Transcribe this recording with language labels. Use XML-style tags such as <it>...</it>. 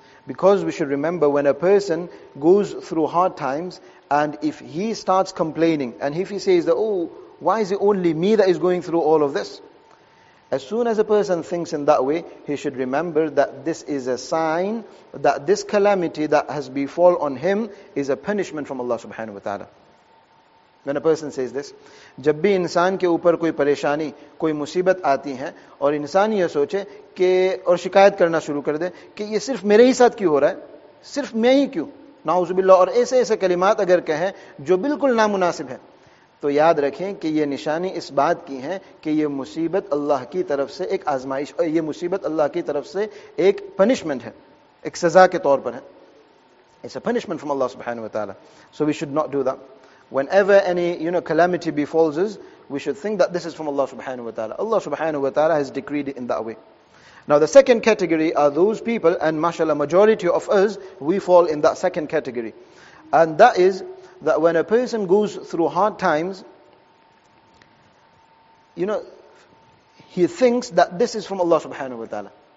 <en>Because we should remember, when a person goes through hard times, and if he starts complaining, and if he says that, oh, why is it only me that is going through all of this? As soon as a person thinks in that way, he should remember that this is a sign that this calamity that has befallen on him is a punishment from Allah subhanahu wa ta'ala. When a person says this,</en> <ur>جب بھی انسان کے اوپر کوئی پریشانی کوئی مصیبت آتی ہے اور انسان یہ سوچے کہ اور شکایت کرنا شروع کر دے کہ یہ صرف میرے ہی ساتھ کیوں ہو رہا ہے صرف میں ہی کیوں نعوذ باللہ اور ایسے ایسے کلمات اگر کہیں جو بالکل نامناسب ہیں تو یاد رکھیں کہ یہ نشانی اس بات کی ہے کہ یہ مصیبت اللہ کی طرف سے ایک آزمائش اور یہ مصیبت اللہ کی طرف سے ایک پنشمنٹ ہے ایک سزا کے طور پر ہے</ur> <en>It's a punishment from Allah subhanahu wa ta'ala. So we should not do that. Whenever any, you know, calamity befalls us, we should think that this is from Allah subhanahu wa ta'ala. Allah subhanahu wa ta'ala has decreed it in that way. Now the second category are those people, and mashallah, majority of us, we fall in that second category. And that is that when a person goes through hard times, you know, he thinks that this is from Allah subhanahu wa ta'ala.</en>